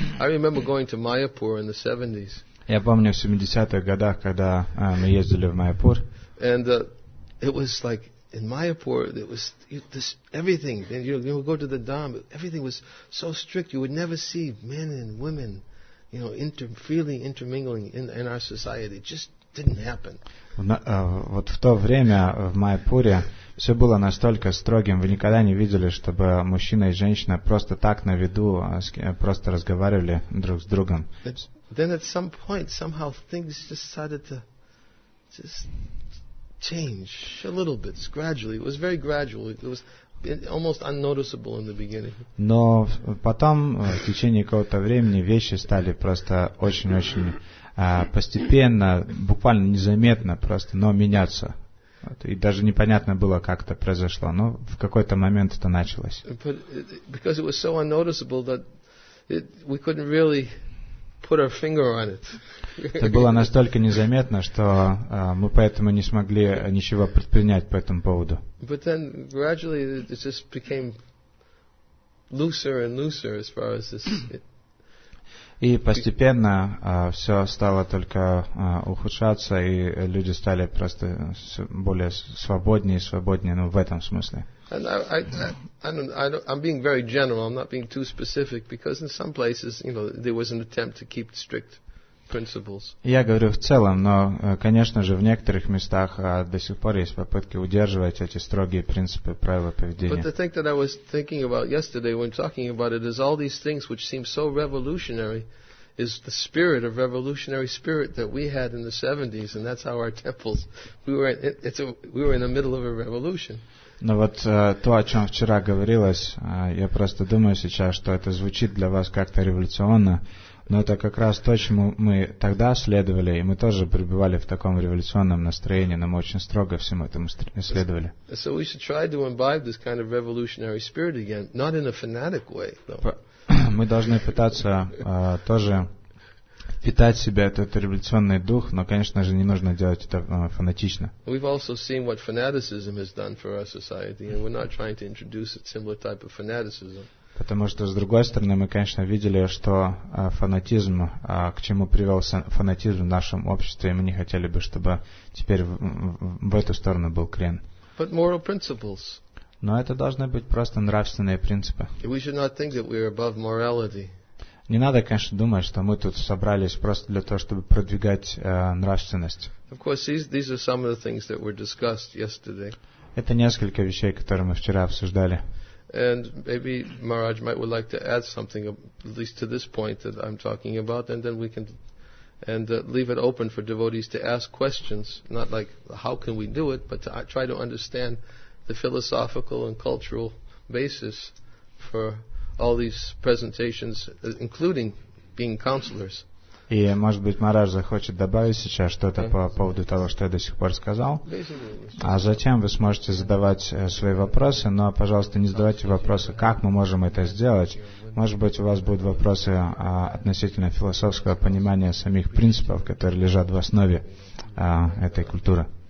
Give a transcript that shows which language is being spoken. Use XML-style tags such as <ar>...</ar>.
<en>I remember going to Mayapur in the 70s.</en> <ru>Я помню в 70-х годах, когда мы ездили в Майяпур.</ru> <en>And it was like in Mayapur, it was this everything. You would go to the dam, everything was so strict. You would never see men and women, freely intermingling in our society. It just didn't happen.</en> <ru>Вот в то время в Майяпуре все было настолько строгим. Вы никогда не видели, чтобы мужчина и женщина просто так на виду просто разговаривали друг с другом.</ru> <en>Then at some point, somehow things just started to just change a little bit, gradually. It was very gradual. It was almost unnoticeable in the beginning.</en> <ru>Но потом, в течение какого-то времени, вещи стали просто очень-очень постепенно, буквально незаметно просто, но меняться. И даже непонятно было, как это произошло. Но в какой-то момент это началось.</ru> <en>But because it was so unnoticeable that we couldn't really put our finger on it.</en> <ru>Это было настолько незаметно, что мы поэтому не смогли ничего предпринять по этому поводу.</ru> <en>But then gradually it just became looser and looser as far as this.</en> <ru>И постепенно все стало только ухудшаться, и люди стали просто более свободнее и свободнее, ну, в этом смысле.</ru> <en>And I'm being very general, I'm not being too specific, because in some places, you know, there was an attempt to keep strict principles.</en> <ru>Я говорю в целом, но, конечно же, в некоторых местах до сих пор есть попытки удерживать эти строгие принципы, правила поведения.</ru> <en>But the thing that I was thinking about yesterday when talking about it is all these things which seem so revolutionary is the spirit of revolutionary spirit that we had in the 70s, and that's how our temples, we were in the middle of a revolution.</en> <ru>Но вот то, о чем вчера говорилось, я просто думаю сейчас, что это звучит для вас как-то революционно, но это как раз то, чему мы тогда следовали, и мы тоже пребывали в таком революционном настроении, но мы очень строго всему этому следовали.</ru> <en>So we should try to imbibe this kind of revolutionary spirit again, not in a fanatic way, though.</en> <ru>Мы должны пытаться тоже питать себя этот революционный дух, но, конечно же, не нужно делать это фанатично.</ru> <en>We've also seen what fanaticism has done for our society, and we're not trying to introduce a similar type of fanaticism.</en> <ru>Потому что, с другой стороны, мы, конечно, видели, что фанатизм, к чему привел фанатизм в нашем обществе, и мы не хотели бы, чтобы теперь в эту сторону был крен.</ru> <en>But moral principles.</en> <ru>Но это должны быть просто нравственные принципы.</ru> <en>We should not think that we are above morality.</en> <ru>Не надо, конечно, думать, что мы тут собрались просто для того, чтобы продвигать нравственность.</ru> <en>Of course, these are some of the things that were discussed yesterday.</en> <ru>Это несколько вещей, которые мы вчера обсуждали.</ru> <en>And maybe Maharaj might would like to add something at least to this point that I'm talking about, and then we can leave it open for devotees to ask questions, not like how can we do it, but to try to understand the philosophical and cultural basis for all these presentations, including being counselors.</en> <ru>И, может быть, Мараш захочет добавить сейчас что-то по поводу того, что я до сих пор сказал. А затем вы сможете задавать свои вопросы, но, пожалуйста, не задавайте вопросы, как мы можем это сделать. Может быть, у вас будут вопросы относительно философского понимания самих принципов, которые лежат в основе этой культуры.</ru>